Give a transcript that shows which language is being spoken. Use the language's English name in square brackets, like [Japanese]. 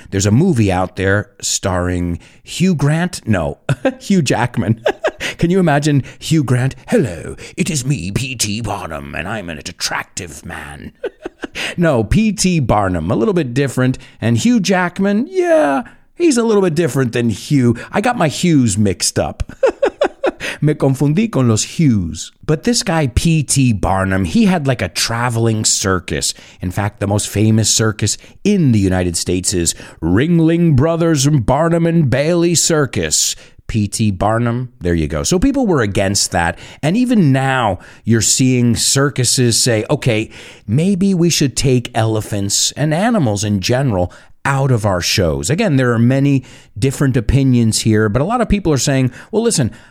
[English] There's a movie out there starring Hugh Jackman. Can you imagine Hugh Grant? Hello, it is me, P.T. Barnum, and I'm an attractive man. No, P.T. Barnum, a little bit different. And Hugh Jackman, yeah, he's a little bit different than Hugh. I got my Hughes mixed up. [Spanish] Me confundí con los Hughes. [English] But this guy, P.T. Barnum, he had like a traveling circus. In fact, the most famous circus in the United States is Ringling Brothers Barnum and Bailey Circus. P.T. Barnum, there you go. So people were against that. And even now, you're seeing circuses say, okay, maybe we should take elephants and animals in general out of our shows. Again, there are many different opinions here, but a lot of people are saying, well, listen,